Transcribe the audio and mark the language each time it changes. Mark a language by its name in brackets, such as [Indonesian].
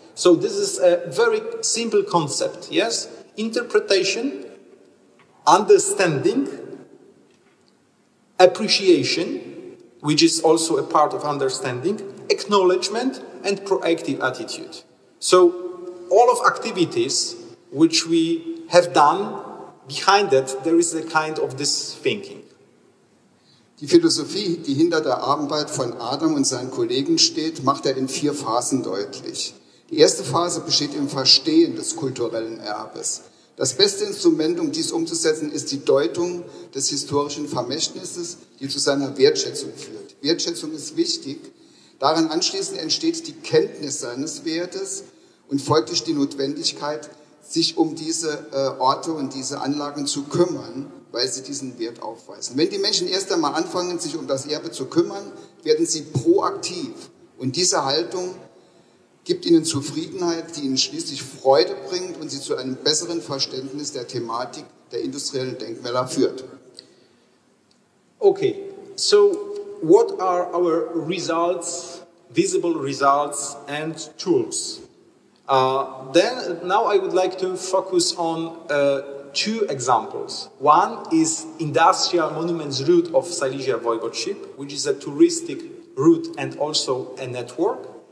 [English] So this is a very simple concept, yes? Interpretation, understanding, appreciation, which is also a part of understanding, acknowledgement, and proactive attitude. So all of activities which we have done, behind that, there is a kind of this thinking. [German] Die Philosophie, die hinter der Arbeit von Adam und seinen Kollegen steht, macht in vier Phasen deutlich. Die erste Phase besteht im Verstehen des kulturellen Erbes. Das beste Instrument, um dies umzusetzen, ist die Deutung des historischen Vermächtnisses, die zu seiner Wertschätzung führt. Wertschätzung ist wichtig. Daran anschließend entsteht die Kenntnis seines Wertes und folglich die Notwendigkeit, sich um diese Orte und diese Anlagen zu kümmern, weil sie diesen Wert aufweisen. Wenn die Menschen erst einmal anfangen, sich um das Erbe zu kümmern, werden sie proaktiv. Und diese Haltung gibt ihnen Zufriedenheit, die ihnen schließlich Freude bringt und sie zu einem besseren Verständnis der Thematik der industriellen Denkmäler führt. [English] Okay, so what are our results, visible results and tools? Then, now I would like to focus on two examples. One is industrial monuments route of Silesia Voivodeship, which is a touristic route and also a network.